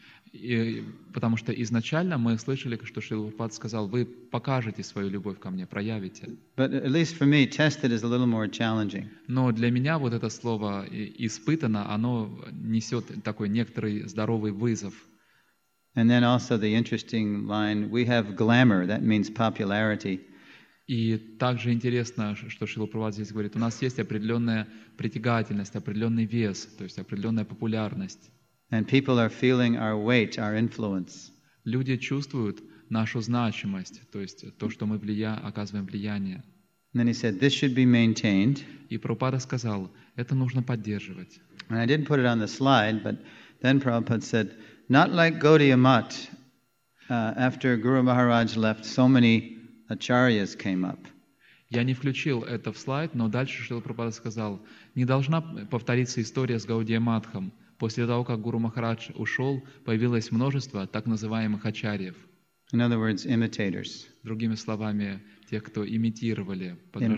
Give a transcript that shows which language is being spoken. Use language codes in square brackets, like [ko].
[ru] И, потому что изначально мы слышали, что Шрила Прабхупада сказал: «Вы покажете свою любовь ко мне, проявите». [en] But at least for me, tested is a little more challenging. [ru] Но для меня вот это слово «испытано», оно несет такой некоторый здоровый вызов. [en] And then also the interesting line: we have glamour, that means popularity. [ru] И также интересно, что Шрила Прабхупада здесь говорит: у нас есть определенная притягательность, определенный вес, то есть определенная популярность. [en] And people are feeling our weight, our influence. [ru] Люди чувствуют нашу значимость, то есть то, что мы оказываем влияние. [en] And then he said, this should be maintained. [ru] И Прабхупада сказал: это нужно поддерживать. [en] And I didn't put it on the slide, but then Prabhupada said, not like Gaudiya Math, after Guru Maharaj left, so many acharyas came up. [ru] Я не включил это в слайд, но дальше Шрила Прабхупада сказал: не должна повториться история с Гаудия Матхом. После того, как Гуру Махарадж ушел, появилось множество так называемых ачарьев. [en] In other words, imitators. [ru] Другими словами, тех, кто имитировали, подражали.